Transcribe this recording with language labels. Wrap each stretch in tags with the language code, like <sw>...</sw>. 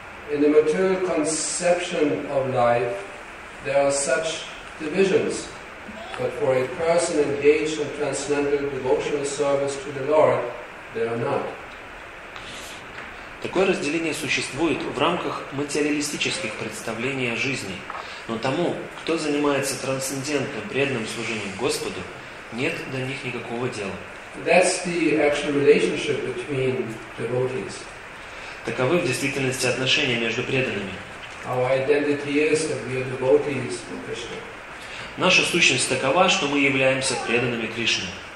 <en>In the material conception of life, there are such divisions. But for a person engaged in transcendental devotional service to the Lord, there are not.</en> <ru>Такое разделение существует в рамках материалистических представлений о жизни. Но тому, кто занимается трансцендентным преданным служением Господу, нет до них никакого дела.</ru> <en>That's the actual relationship between devotees.</en> <ru>Таковы в действительности отношения между преданными.</ru> <en>Our identity is that we are devotees to Krishna.</en> <ru>Наша сущность такова, что мы являемся преданными Кришне.</ru>